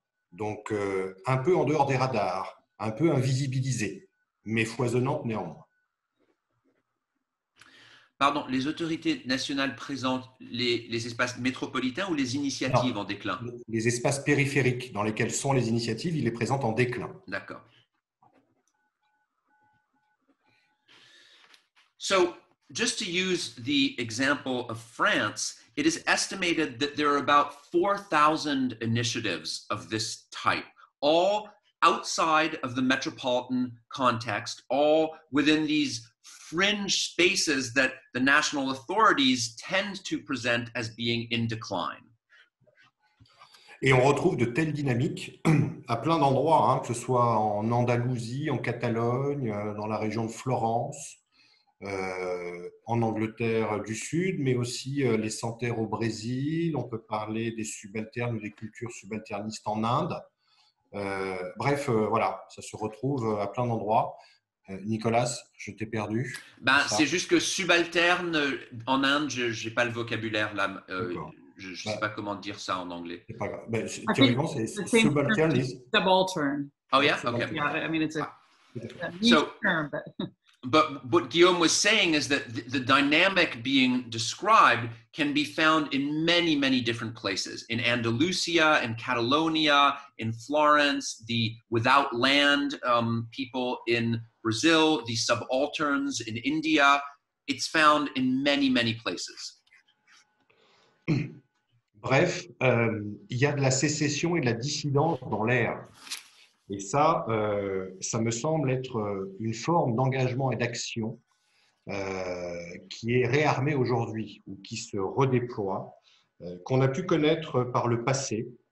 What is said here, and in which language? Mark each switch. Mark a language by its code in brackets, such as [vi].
[fr] Donc, un peu en dehors des radars, un peu invisibilisé, mais foisonnante néanmoins. Pardon, les autorités nationales présentent les espaces métropolitains ou les initiatives en déclin ? Les espaces périphériques dans lesquels sont les initiatives, ils les présentent en déclin. D'accord. So, just to use the example of France, it is estimated that there are about 4,000 initiatives of this type, all outside of the metropolitan context, all within these fringe spaces that the national authorities tend to present as being in decline. Et on retrouve de telles dynamiques à plein d'endroits, hein, que ce soit en Andalousie, en Catalogne, dans la région de Florence, en Angleterre du Sud, mais aussi les centaires au Brésil. On peut parler des subalternes, des cultures subalternistes en Inde. Bref, voilà, ça se retrouve à plein d'endroits. Nicolas, je t'ai perdu. Ben, c'est juste que subalterne en Inde, je n'ai pas le vocabulaire là. Je ne sais pas comment dire ça en anglais. C'est pas grave. C'est subalterniste. [en] Subaltern. Oh yeah, okay. Yeah, I mean it's a niche term, but. But what Guillaume was saying is that the dynamic being described can be found in many, many different places. In Andalusia, in Catalonia, in Florence, the without land people in Brazil, the subalterns in India. It's found in many, many places. [fr] Bref, il y a de la sécession et de la dissidence dans l'air. Et ça, ça me semble être une forme d'engagement et d'action qui est réarmée aujourd'hui ou qui se redéploie, qu'on a pu connaître par le passé.